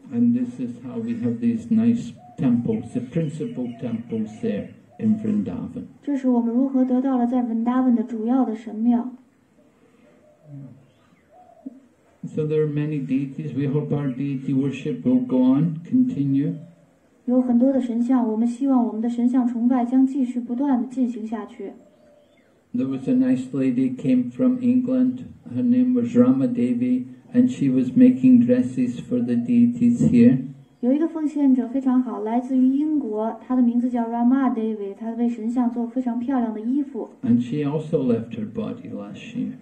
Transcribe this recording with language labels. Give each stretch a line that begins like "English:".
English: And this is how we have these nice temples, the principal temples there. In Vrindavan.
Chinese: 这是我们如何得到了在 Vrindavan 的主要的神庙。
English: So there are many deities. We hope our deity worship will go on, continue.
Chinese: 有很多的神像，我们希望我们的神像崇拜将继续不断地进行下去。
English: There was a nice lady came from England. Her name was Rama Devi, and she was making dresses for the deities here.
Chinese: 有一个奉献者非常好，来自于英国，他的名字叫 Rama Devi， 他为神像做非常漂亮的衣服。
English: And she also left her body last year.